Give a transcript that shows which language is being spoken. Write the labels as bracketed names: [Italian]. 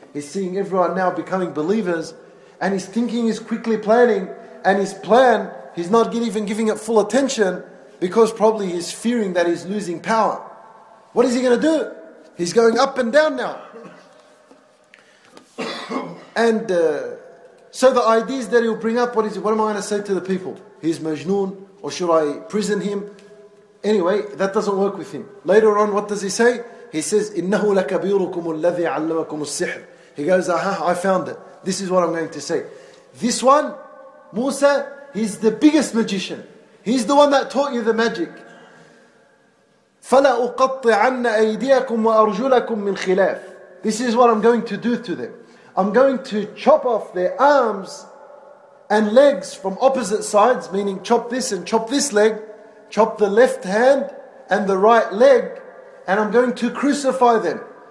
[English] He's seeing everyone now becoming believers, and he's thinking, he's quickly planning, and his plan, he's not even giving it full attention because probably he's fearing that he's losing power. What is he going to do? He's going up and down now. And so the ideas that he'll bring up, what is it? What am I going to say to the people? he's Majnoon, or should I prison him? Anyway, that doesn't work with him. Later on, what does he say? He says, [Arabic] إِنَّهُ لَكَبِيرُكُمُ الَّذِي عَلَّمَكُمُ السِّحْرِ. [English] He goes, I found it. This is what I'm going to say. This one, Musa, he's the biggest magician. He's the one that taught you the magic. [Arabic] فَلَأُقَطِّعَنَّ أَيْدِيَكُمْ وَأَرْجُلَكُمْ مِنْ خِلَافٍ. [English] This is what I'm going to do to them. I'm going to chop off their arms and legs from opposite sides, meaning chop this and chop this leg, chop the left hand and the right leg, and I'm going to crucify them.